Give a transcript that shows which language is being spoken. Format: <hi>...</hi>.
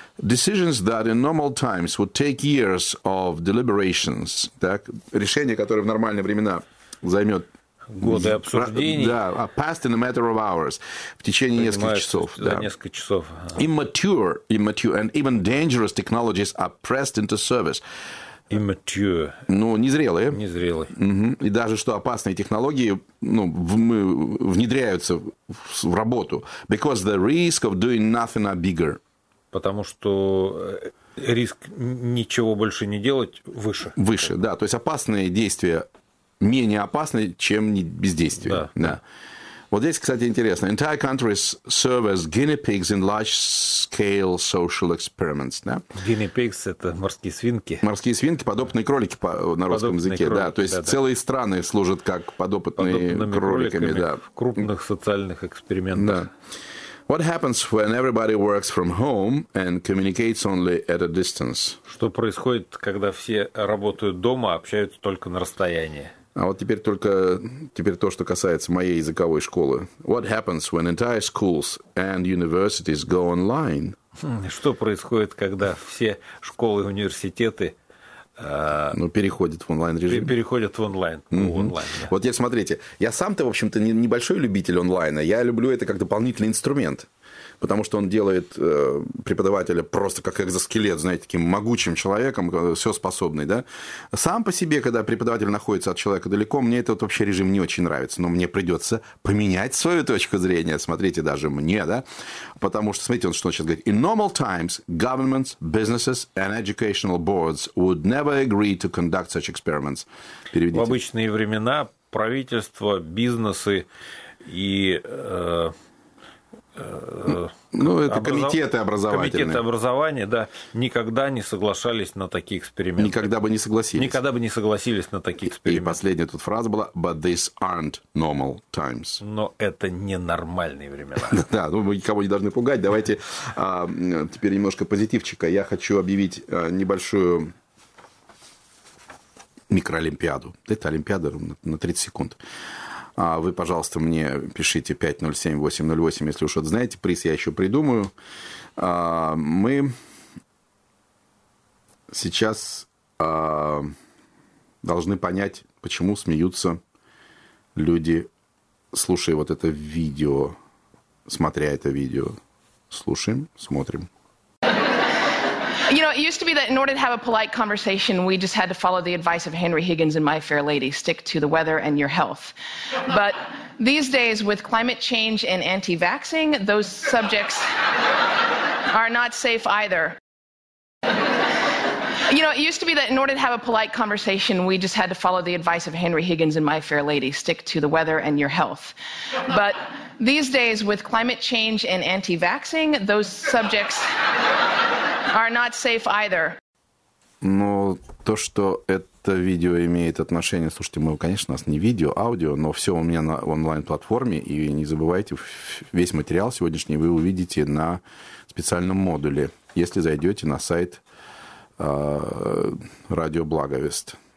<en>Decisions that in normal times would take years of deliberations.</en> <ru>Так, решение, которое в нормальные времена займет... Годы обсуждений.</ru> <en>Да, are passed in a matter of hours.</en> <ru>В течение нескольких часов. За несколько часов.</ru> <en>Immature, and even dangerous technologies are pressed into service. Immature.</en> <ru>Ну, незрелые. Незрелые. Угу. И даже что опасные технологии ну, внедряются в работу.</ru> <en>Because the risk of doing nothing are bigger.</en> <ru>Потому что риск ничего больше не делать выше. Выше, да. То есть опасные действия менее опасны, чем бездействие. Да. Да. Вот здесь, кстати, интересно.</ru> <en>Entire countries serve as guinea pigs in large-scale social experiments. Да?</en> <ru>Guinea pigs – это морские свинки. Морские свинки, подопытные кролики по, на русском подопытные языке. Кролики, да. То есть да, целые да. страны служат как подопытными кроликами. Да. В крупных социальных экспериментах. Да.</ru> <en>What happens when everybody works from home and communicates only at a distance?</en> <ru>Что происходит, когда все работают дома, а общаются только на расстоянии? А вот теперь только то, что касается моей языковой школы.</ru> <en>What happens when entire schools and universities go online?</en> <ru>Что происходит, когда все школы и университеты Переходят в онлайн-режим. Переходят в онлайн. Mm-hmm. Онлайн да. Вот теперь смотрите, я сам-то, в общем-то, небольшой любитель онлайна. Я люблю это как дополнительный инструмент, потому что он делает преподавателя просто как экзоскелет, знаете, таким могучим человеком, все способный, да. Сам по себе, когда преподаватель находится от человека далеко, мне этот вообще режим не очень нравится, но мне придется поменять свою точку зрения, смотрите, даже мне, да, потому что, смотрите, он что сейчас говорит.</ru> <en>In normal times, governments, businesses and educational boards would never agree to conduct such experiments.</en> <ru>Переведите. В обычные времена правительство, бизнесы и... Ну, это комитеты образовательные. Комитеты образования, да, никогда не соглашались на такие эксперименты. Никогда бы не согласились. Никогда бы не согласились на такие эксперименты. И последняя тут фраза была,</ru> <en>but these aren't normal times.</en> <ru>Но это не нормальные времена. Да, ну, мы никого не должны пугать. Давайте теперь немножко позитивчика. Я хочу объявить небольшую микроолимпиаду. Это олимпиада на 30 секунд. А вы, пожалуйста, мне пишите 507-808, если вы что-то знаете. Приз я еще придумаю. Мы сейчас должны понять, почему смеются люди, слушая вот это видео, смотря это видео. Слушаем, смотрим.</ru> <en>You know, it used to be that in order to have a polite conversation, we just had to follow the advice of Henry Higgins and My Fair Lady, stick to the weather and your health. But these days, with climate change and anti-vaxxing, those subjects are not safe either. You know, it used to be that in order to have a polite conversation, we just had to follow the advice of Henry Higgins and My Fair Lady, stick to the weather and your health. But these days, with climate change and anti-vaxxing, those subjects... are not safe either.</en> <ru>Ну, то, что это видео имеет отношение... Слушайте, мы, конечно, у нас не видео, а аудио, но все у меня на онлайн-платформе, и не забывайте, весь материал сегодняшний вы увидите на специальном модуле, если зайдете на сайт Радио Благовест.</ru>